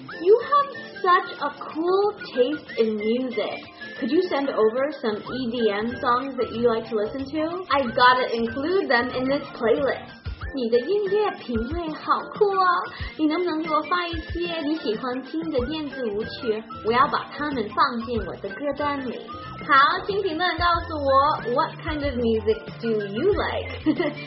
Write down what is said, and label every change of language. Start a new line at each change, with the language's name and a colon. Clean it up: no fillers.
English: You have such a cool taste in music. Could you send over some EDM songs that you like to listen to? I gotta include them in this playlist.
Chinese: 你的音乐品味好酷哦，你能不能给我发一些你喜欢听的电子舞曲，我要把它们放进我的歌单里。好，请评论告诉我 What kind of music do you like?